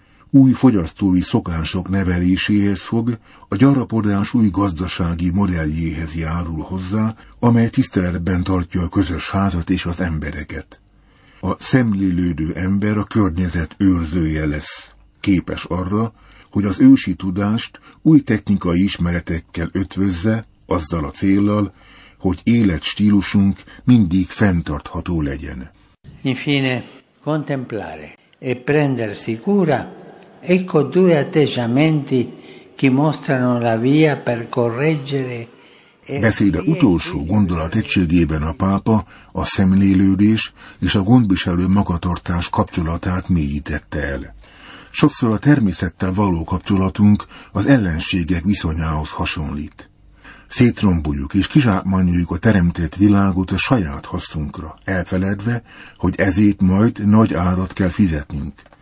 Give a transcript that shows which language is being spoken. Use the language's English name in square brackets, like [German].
[Hungarian] Új fogyasztói szokások neveléséhez fog, a gyarapodás új gazdasági modelljéhez járul hozzá, amely tiszteletben tartja a közös házat és az embereket. A szemlélődő ember a környezet őrzője lesz, képes arra, hogy az ősi tudást új technikai ismeretekkel ötvözze, azzal a céllal, hogy életstílusunk mindig fenntartható legyen. [Italian] Infine, contemplare e prendersi cura, ecco due atteggiamenti che mostrano la via per correggere. [Hungarian] Beszéde utolsó gondolat egységében a pápa a szemlélődés és a gondviselő magatartás kapcsolatát mélyítette el. Sokszor a természettel való kapcsolatunk az ellenségek viszonyához hasonlít. Szétromboljuk és kizsákmányoljuk a teremtett világot a saját hasznunkra, elfeledve, hogy ezért majd nagy árat kell fizetnünk.